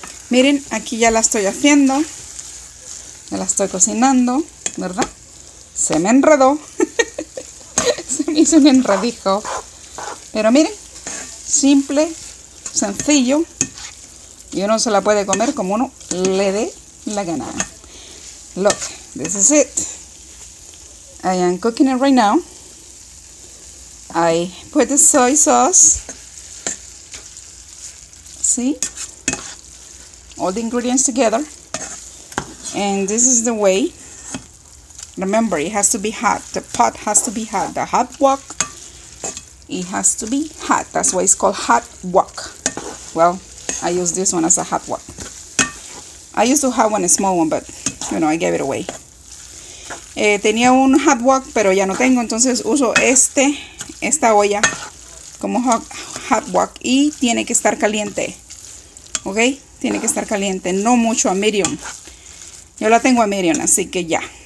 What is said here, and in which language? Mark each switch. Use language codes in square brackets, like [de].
[es] Miren, aquí ya la estoy haciendo, ya la estoy cocinando, ¿verdad? Se me enredó, se me hizo un enredijo, pero miren, simple, sencillo, y uno se la puede comer como uno le dé la gana. [en] Look, this is it. I am cooking it right now. I put the soy sauce. See? All the ingredients together. And this is the way. Remember, it has to be hot. The pot has to be hot. The hot wok, it has to be hot. That's why it's called hot wok. Well, I use this one as a hot wok. I used to have one, a small one, but, you know, I gave it away. [es] Tenía un hot wok, pero ya no tengo, entonces uso esta olla como hot wok. Y tiene que estar caliente, ¿ok? Tiene que estar caliente, no mucho, a medium. Yo la tengo a medium, así que ya.